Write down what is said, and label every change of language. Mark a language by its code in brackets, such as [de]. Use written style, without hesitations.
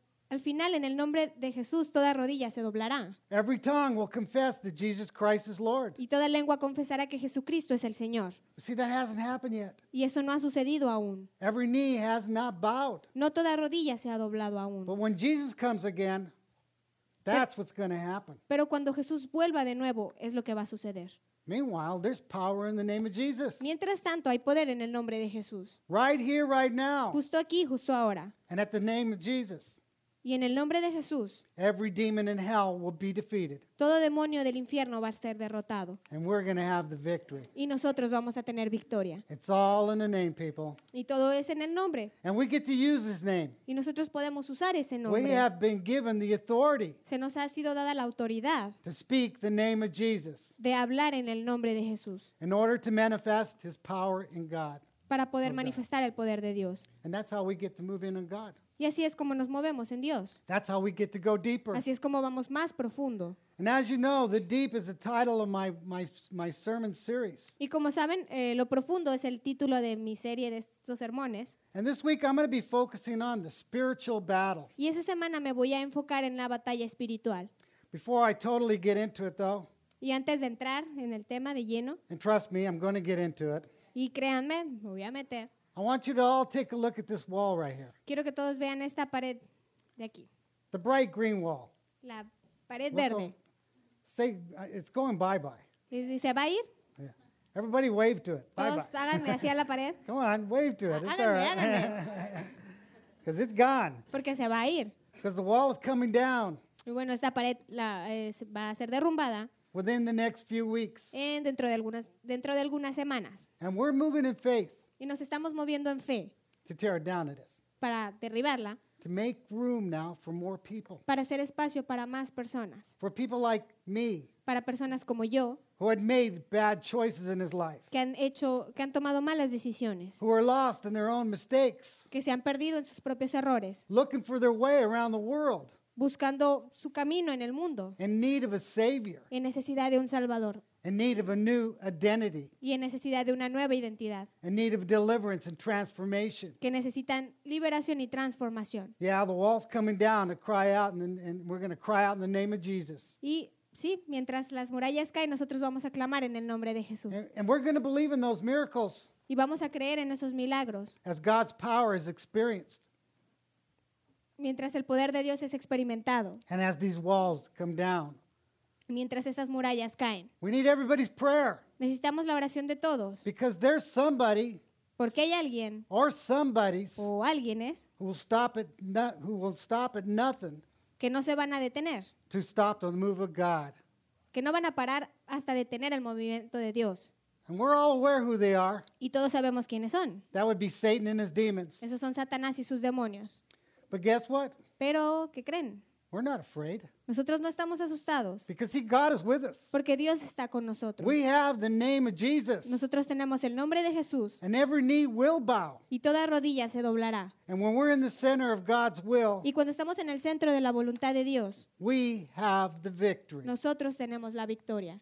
[es] Al final, en el nombre de Jesús, toda rodilla se doblará. [en] Every tongue will confess that Jesus Christ is Lord. [es] Y toda lengua confesará que Jesucristo es el Señor. [en] See, that hasn't happened yet. [es] Y eso no ha sucedido aún. [en] Every knee has not bowed. [es] No toda rodilla se ha doblado aún. [en] But when Jesus comes again, that's what's going to happen. [es] Pero cuando Jesús vuelva de nuevo, es lo que va a suceder. [en] Meanwhile, there's power in the name of Jesus. [es] Mientras tanto, hay poder en el nombre de Jesús. [en] Right here, right now. [es] Justo aquí, justo ahora. [en] And at the name of Jesus. [es] Y en el nombre de Jesús, [en] every demon in hell will be defeated. [es] Todo demonio del infierno va a ser derrotado. [en] And we're going to have the victory. [es] Y nosotros vamos a tener victoria. [en] It's all in the name, people. [es] Y todo es en el nombre. [en] And we get to use His name. [es] Y nosotros podemos usar ese nombre. [en] We have been given the authority. [es] Se nos ha sido dada la autoridad. [en] To speak the name of Jesus. [es] De hablar en el nombre de Jesús. [en] In order to manifest His power in God. [es] Para poder manifestar el poder de Dios. [en] And that's how we get to move in on God. [es] Y así es como nos movemos en Dios. [en] That's how we get to go deeper. [es] Así es como vamos más profundo. [en] And as you know, the deep is the title of my sermon series. [es] Y como saben, lo profundo es el título de mi serie de estos sermones. [en] And this week I'm going to be focusing on the spiritual battle. [es] Y esa semana me voy a enfocar en la batalla espiritual. [en] Before I totally get into it though. [es] Y antes de entrar en el tema de lleno. [en] And trust me, I'm going to get into it. [es] Y créanme, me voy a meter. [en] I want you to all take a look at this wall right here. [es] Quiero que todos vean esta pared de aquí. [en] The bright green wall. [es] La pared look verde. [en] It's going bye-bye. [es] ¿Y se va a ir? [en] Yeah. Everybody wave to it. [es] Todos [en] bye-bye. [es] Háganme hacia la pared. [en] Come on, wave to it. It's [es] háganme, [en] all right. [es] Háganme. [en] Because it's gone. [es] Porque se va a ir. [en] Because the wall is coming down. [es] Y bueno, esta pared va a ser derrumbada. [en] Within the next few weeks. [es] En dentro de algunas semanas. [en] And we're moving in faith. [es] Y nos estamos moviendo en fe. [en] To tear it down, it is. [es] Para derribarla. [en] To make room now for more people. [es] Para hacer espacio para más personas. [en] For people like me. [es] Para personas como yo. [en] Who had made bad choices in his life. [es] Que han tomado malas decisiones. [en] Who are lost in their own mistakes. [es] Que se han perdido en sus propios errores. [en] Looking for their way around the world. [es] Buscando su camino en el mundo. [en] In need of a savior. [es] En necesidad de un salvador. [en] In need of a new identity. [es] Y en necesidad de una nueva identidad. [en] In need of deliverance and transformation. [es] Que necesitan liberación y transformación. [en] Yeah, the wall's coming down to cry out and we're going to cry out in the name of Jesus. [es] Y sí, mientras las murallas caen, nosotros vamos a clamar en el nombre de Jesús. [en] And we're going to believe in those miracles. [es] Y vamos a creer en esos milagros. [en] As God's power is experienced. [es] Mientras el poder de Dios es experimentado. [en] And as these walls come down. [es] Mientras esas murallas caen. [en] We need everybody's prayer. [es] Necesitamos la oración de todos. [en] Because there's somebody. [es] Porque hay alguien. [en] Or somebody's. [es] O alguienes. [en] Who will stop at nothing. [es] Que no se van a detener. [en] To stop the move of God. [es] Que no van a parar hasta detener el movimiento de Dios. [en] And we're all aware who they are. [es] Y todos sabemos quiénes son. [en] That would be Satan and his demons. [es] Esos son Satanás y sus demonios. [en] But guess what? [es] Pero, ¿qué creen? [en] We're not afraid. [es] Nosotros no estamos asustados. [en] Because he, God is with us. [es] Porque Dios está con nosotros. [en] We have the name of Jesus. [es] Nosotros tenemos el nombre de Jesús. [en] And every knee will bow. [es] Y toda rodilla se doblará. [en] And when we're in the center of God's will. [es] Y cuando estamos en el centro de la voluntad de Dios. [en] We have the victory. [es] Nosotros tenemos la victoria.